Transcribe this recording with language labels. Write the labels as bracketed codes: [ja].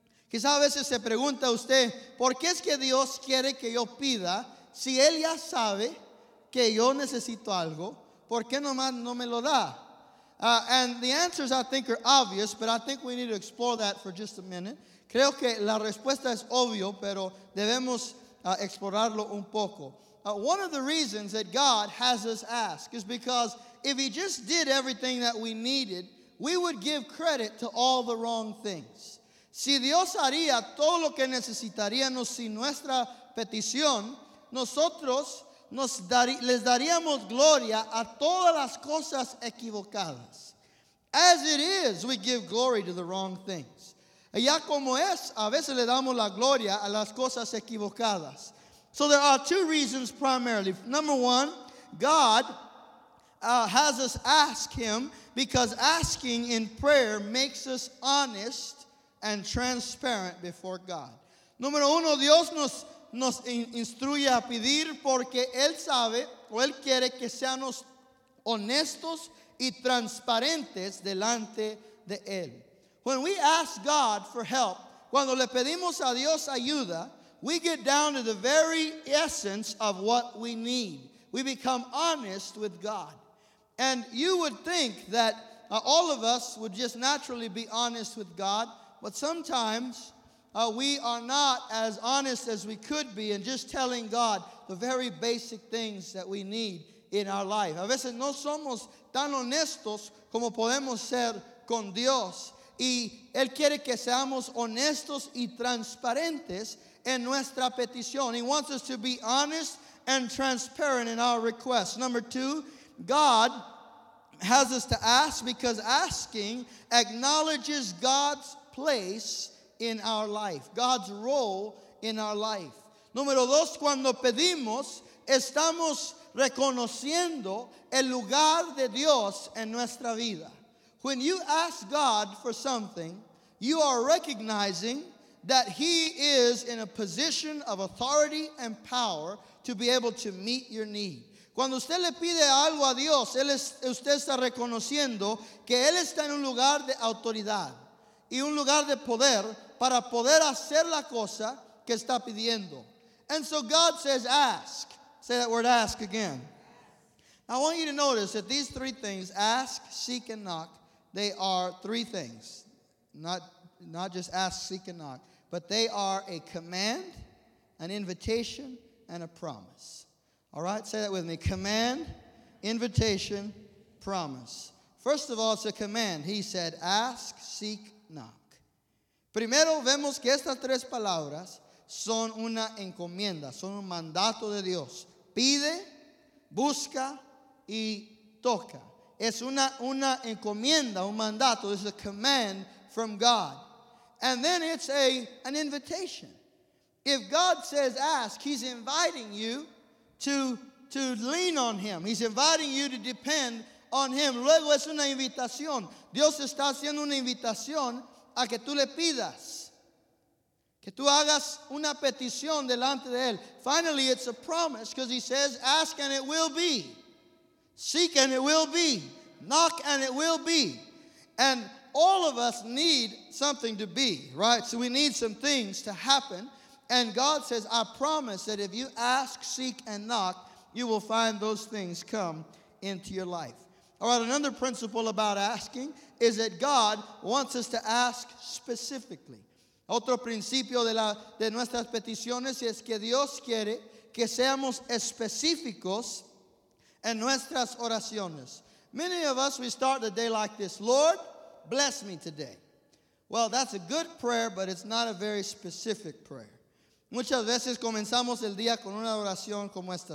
[es] Quizá a veces se pregunta usted, ¿por qué es que Dios quiere que yo pida si Él ya sabe que yo necesito algo? ¿Por qué nomás no me lo da? [en] And the answers, I think, are obvious, but I think we need to explore that for just a minute. [es] Creo que la respuesta es obvio, pero debemos explorarlo un poco. [en] One of the reasons that God has us ask is because if he just did everything that we needed, we would give credit to all the wrong things. [es] Si Dios haría todo lo que necesitaríamos sin nuestra petición, nosotros les daríamos gloria a todas las cosas equivocadas. [en] As it is, we give glory to the wrong things. [es] Ya como es, a veces le damos la gloria a las cosas equivocadas. [en] So there are two reasons primarily. Number one, God has us ask him because asking in prayer makes us honest and transparent before God. [es] Número uno, Dios nos instruye a pedir porque Él sabe o Él quiere que seamos honestos y transparentes delante de Él. [en] When we ask God for help, [es] cuando le pedimos a Dios ayuda, [en] we get down to the very essence of what we need. We become honest with God. And you would think that all of us would just naturally be honest with God, but sometimes we are not as honest as we could be in just telling God the very basic things that we need in our life. [es] A veces no somos tan honestos como podemos ser con Dios. Y Él quiere que seamos honestos y transparentes en nuestra petición. [en] He wants us to be honest and transparent in our requests. Number two, God has us to ask because asking acknowledges God's place in our life, God's role in our life. [es] Número dos, cuando pedimos, estamos reconociendo el lugar de Dios en nuestra vida. [en] When you ask God for something, you are recognizing that he is in a position of authority and power to be able to meet your need. [es] Cuando usted le pide algo a Dios, usted está reconociendo que él está en un lugar de autoridad y un lugar de poder para poder hacer la cosa que está pidiendo. [en] And so God says, ask. Say that word, ask again. I want you to notice that these three things, ask, seek, and knock, they are three things, not just ask, seek, and knock, but they are a command, an invitation, and a promise. All right, say that with me. Command, invitation, promise. First of all, it's a command. He said, ask, seek, knock. [es] Primero vemos que estas tres palabras son una encomienda, son un mandato de Dios. Pide, busca, y toca. Es una encomienda, un mandato. [en] It's a command from God. And then it's an invitation. If God says ask, he's inviting you to lean on him. He's inviting you to depend on him. [es] Luego es una invitación. Dios está haciendo una invitación a que tú le pidas. Que tú hagas una petición delante de él. [en] Finally, it's a promise because he says ask and it will be. Seek and it will be. Knock and it will be. And all of us need something to be, right? So we need some things to happen. And God says, I promise that if you ask, seek, and knock, you will find those things come into your life. All right, another principle about asking is that God wants us to ask specifically. [es] Otro principio de nuestras peticiones es que Dios quiere que seamos específicos en nuestras oraciones. [en] Many of us, we start the day like this. Lord, bless me today. Well, that's a good prayer, but it's not a very specific prayer. [es] Muchas veces comenzamos el día con una oración como esta.